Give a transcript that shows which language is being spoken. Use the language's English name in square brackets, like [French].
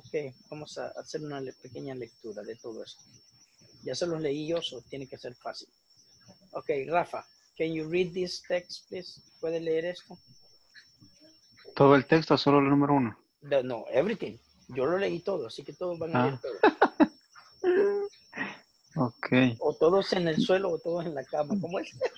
[Spanish] Okay, vamos a hacer una pequeña lectura de todo esto. Ya se los leí yo, so tiene que ser fácil. [English] Okay, Rafa, can you read this text, please? [Spanish] ¿Puede leer esto? ¿Todo el texto o solo el número uno? [English] No, everything. [Spanish] Yo lo leí todo, así que todos van a leer todo. [English] Okay. [Spanish] O todos en el suelo o todos en la cama, ¿cómo es?